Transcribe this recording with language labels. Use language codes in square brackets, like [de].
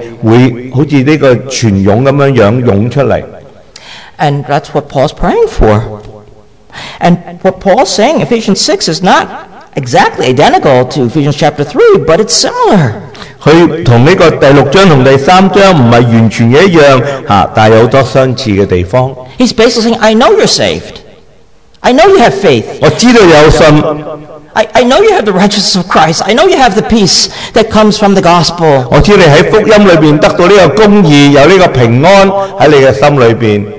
[zh] 我想你真的有这个神的喜乐在你的身上,而这个喜乐是会好像这个泉涌这样涌出来。 [en] And that's what Paul's praying for. And what Paul's saying in Ephesians 6 is not exactly identical to Ephesians chapter 3, but it's similar. [zh] 他跟这个第六章和第三章不是完全一样,但有很多相似的地方。 [en] He's basically saying, I know you're saved. I know you have faith. [zh] 我知道有信。 [en] I know you have the righteousness of Christ. I know you have the peace that comes from the gospel. [zh] 我知道你在福音里面得到这个公义,有这个平安在你的心里面。